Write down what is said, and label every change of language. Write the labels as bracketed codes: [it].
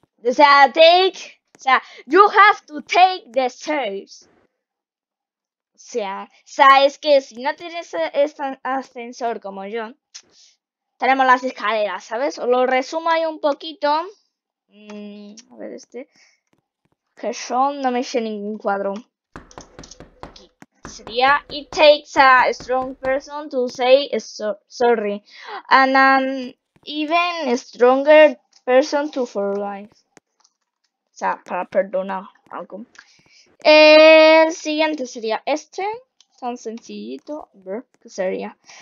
[es] O sea, [en] take. O sea, you have to take the stairs. [es] O sea, es que si no tienes este ascensor como yo, tenemos las escaleras, ¿sabes? Os lo resumo ahí un poquito. A ver, este. Que son, no me sé ningún cuadro. Aquí. Sería: [en] It takes a strong person to say sorry. And an even stronger person to forgive. [es] O sea, para perdonar algo. El siguiente sería este. Tan sencillito. ¿Qué sería?